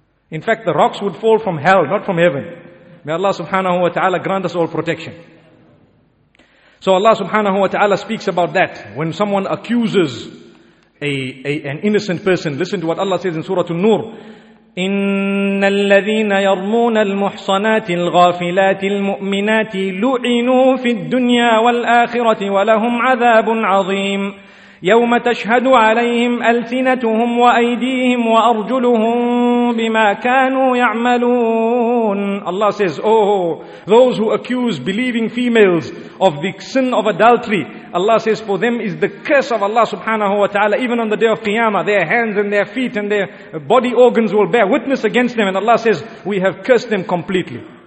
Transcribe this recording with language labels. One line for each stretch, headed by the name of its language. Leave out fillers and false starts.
English: In fact, the rocks would fall from hell, not from heaven. May Allah subhanahu wa ta'ala grant us all protection. So Allah subhanahu wa ta'ala speaks about that. When someone accuses an innocent person, listen to what Allah says in Surah An-Nur.
Arabic: إن الذين يرمون المحصنات الغافلات المؤمنات لعنوا في الدنيا والآخرة ولهم عذاب عظيم يوم تشهد عليهم ألسنتهم وأيديهم وأرجلهم بما كانوا يعملون.
English: Allah says, oh, those who accuse believing females of the sin of adultery, Allah says, for them is the curse of Allah subhanahu wa ta'ala. Even on the day of Qiyamah, their hands and their feet and their body organs will bear witness against them. And Allah says, we have cursed them completely.